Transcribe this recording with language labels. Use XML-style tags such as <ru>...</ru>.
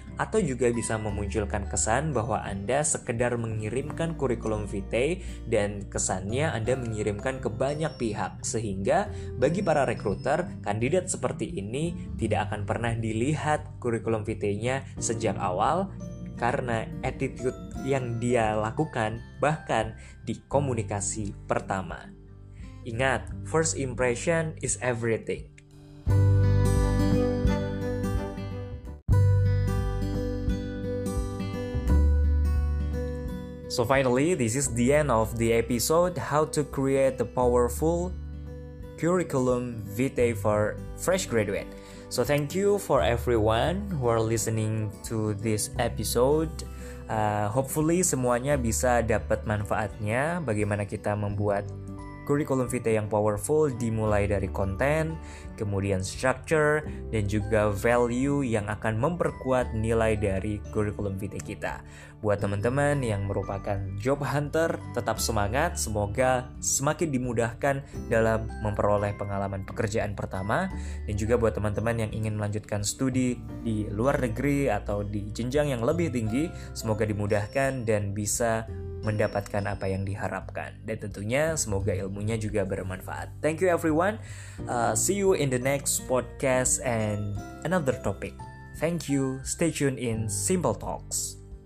<id>atau juga bisa memunculkan kesan bahwa Anda sekedar mengirimkan kurikulum vitae dan kesannya Anda mengirimkan ke banyak pihak, sehingga bagi para rekruter, kandidat seperti ini tidak akan pernah dilihat kurikulum vitae-nya sejak awal karena attitude yang dia lakukan bahkan di komunikasi pertama. Ingat,</id> <en>first impression is everything. So finally, this is the end of the episode, how to create a powerful curriculum vitae for fresh graduate. So thank you for everyone who are listening to this episode.</en> <id>Hopefully semuanya bisa dapat manfaatnya, bagaimana kita membuat curriculum vitae yang powerful, dimulai dari konten, kemudian structure, dan juga value yang akan memperkuat nilai dari curriculum vitae kita. Buat teman-teman yang merupakan job hunter, tetap semangat, semoga semakin dimudahkan dalam memperoleh pengalaman pekerjaan pertama. Dan juga buat teman-teman yang ingin melanjutkan studi di luar negeri atau di jenjang yang lebih tinggi, semoga dimudahkan dan bisa mendapatkan apa yang diharapkan. Dan tentunya semoga ilmunya juga bermanfaat.</id> <en>Thank you everyone. See you in the next podcast and another topic. Thank you. Stay tuned in Simple Talks.</en>